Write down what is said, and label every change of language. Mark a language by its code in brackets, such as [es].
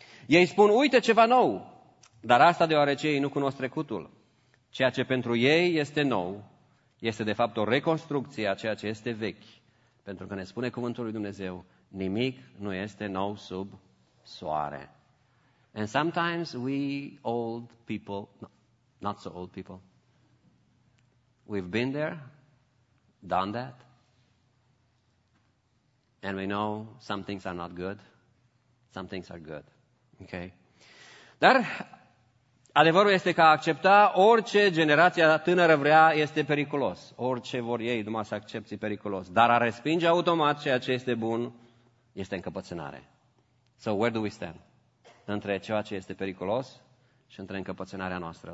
[ro] Ei spun, uite ceva nou. Dar asta deoarece ei nu cunosc trecutul. Ceea ce pentru ei este nou, este, de fapt, o reconstrucție a ceea ce este vechi. Pentru că ne spune Cuvântul lui Dumnezeu, nimic nu este nou sub soare. [en] And sometimes we old people, no, not so old people, we've been there, done that, and we know some things are not good, some things are good. Okay? [ro] Dar adevărul este că a accepta orice generația tânără vrea este periculos. Orice vor ei, numai să accepti, periculos. Dar a respinge automat ceea ce este bun este încăpățânare. [en] So where do we stand? [ro] Între ceea ce este periculos și între încăpățânarea noastră.